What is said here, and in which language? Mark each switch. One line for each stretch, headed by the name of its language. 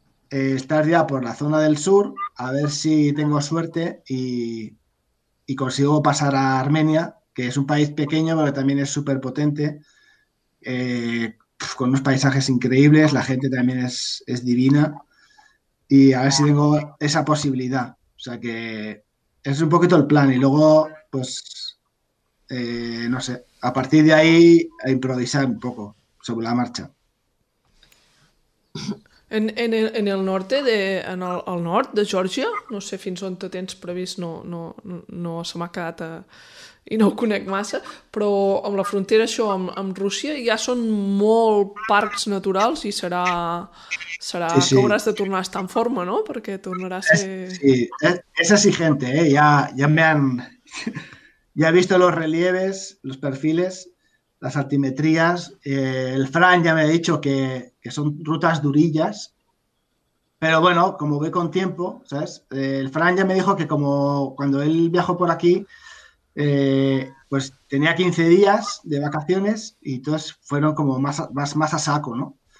Spanish: estar ya por la zona del sur, a ver si tengo suerte y consigo pasar a Armenia, que es un país pequeño pero también es súper potente, con unos paisajes increíbles, la gente también es divina, y a ver si tengo esa posibilidad. O sea que ese es un poquito el plan, y luego pues no sé, a partir de ahí a improvisar un poco sobre la marcha. En el norte de
Catalan: al nord de Geòrgia, no sé fins on te tens previst, no se m'ha quedat i no ho conec massa, però amb la frontera això amb Rússia ja són molt parcs naturals i serà sí, sí. Que hauràs de tornar a estar en forma, no? Perquè tornarà a ser... Sí, és
Spanish: exigente,
Catalan: ja me han...
Spanish: Ya he visto los relieves, los perfiles, las altimetrías. El Fran ya me ha dicho que son rutas durillas. Pero bueno, como voy con tiempo, ¿sabes? El Fran ya me dijo que como cuando él viajó por aquí, pues tenía 15 días de vacaciones y entonces fueron como más a saco, ¿no?